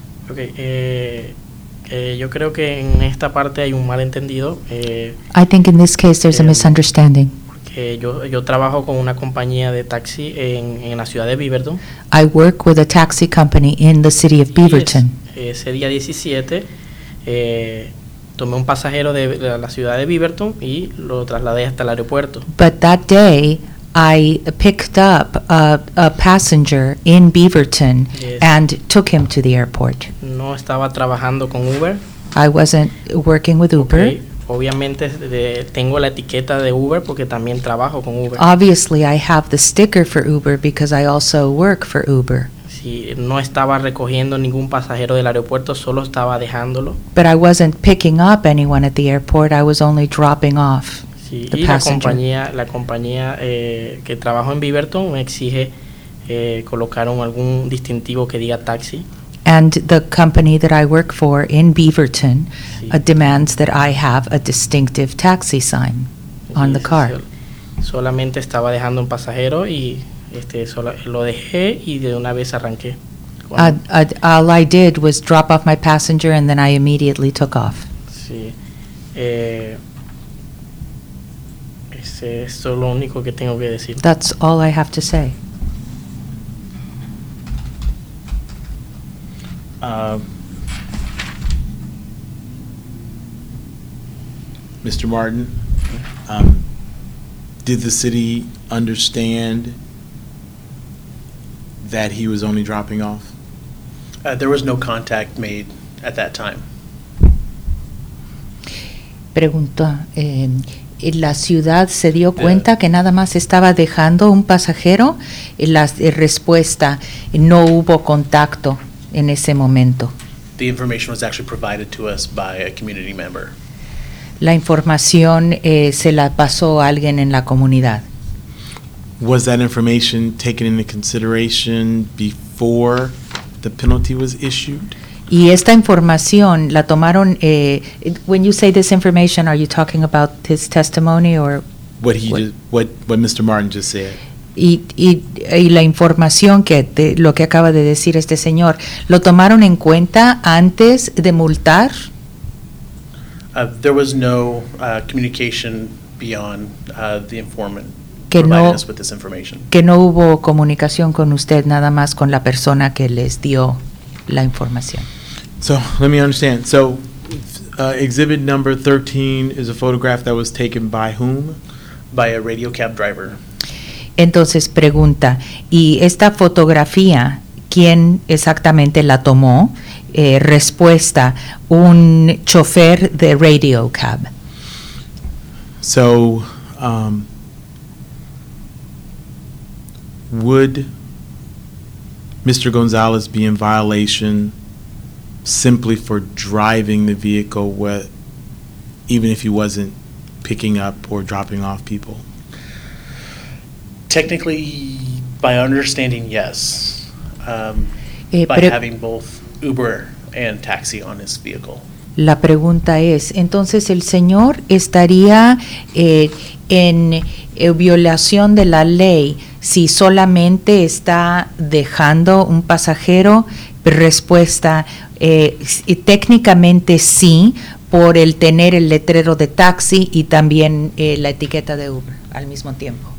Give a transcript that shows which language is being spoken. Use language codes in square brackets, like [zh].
[es] Okay, yo creo que en esta parte hay un malentendido. [en] I think in this case there's a misunderstanding. [es] Porque yo trabajo con una compañía de taxi en la ciudad de Beaverton. [en] I work with a taxi company in the city of Beaverton. [es] Ese día 17 tomé un pasajero de la ciudad de Beaverton y lo trasladé hasta el aeropuerto. [en] But that day I picked up a passenger in Beaverton, yes, and took him to the airport. [es] No estaba trabajando con Uber. [en] I wasn't working with Uber. Okay. [es] Obviamente tengo la etiqueta de Uber porque también trabajo con Uber. [en] Obviously I have the sticker for Uber because I also work for Uber. [es] Sí, no estaba recogiendo ningún pasajero del aeropuerto, solo estaba dejándolo. [en] But I wasn't picking up anyone at the airport, I was only dropping off. [es] Y la compañía que trabajo en Beaverton me exige colocar algún distintivo que diga taxi. [en] And the company that I work for in Beaverton, sí, demands that I have a distinctive taxi sign on the car. [es] Solamente estaba dejando un pasajero y lo dejé y de una vez arranqué. [en] All I did was drop off my passenger and then I immediately took off. [es] Sí. Eso es lo único que tengo que decir. [en] That's all I have to say. Mr. Martin, did the city understand that he was only dropping off? There was no contact made at that time. [es] Pregunta. La ciudad se dio cuenta que nada más estaba dejando un pasajero. La respuesta, no hubo contacto en ese momento. [en] The information was actually provided to us by a community member. [es] La información se la pasó a alguien en la comunidad. [en] Was that information taken into consideration before the penalty was issued? [es] Y esta información la tomaron. [en] When you say this information, are you talking about his testimony or what Mr. Martin just said? [es] Y la información lo que acaba de decir este señor, ¿lo tomaron en cuenta antes de multar? [en] There was no communication beyond the informant providing us with this information. [es] Que no hubo comunicación con usted, nada más con la persona que les dio la información. [en] So let me understand. So exhibit number 13 is a photograph that was taken by whom? By a radio cab driver. [es] Entonces pregunta, ¿y esta fotografía quién exactamente la tomó? Respuesta, un chofer de radio cab. [en] So would Mr. Gonzalez be in violation simply for driving the vehicle, even if he wasn't picking up or dropping off people? Technically, by understanding, yes. By having both Uber and taxi on his vehicle. [es] La pregunta es, entonces el señor estaría en violación de la ley si solamente está dejando un pasajero. Respuesta, técnicamente sí, por el tener el letrero de taxi y también la etiqueta de Uber al mismo tiempo.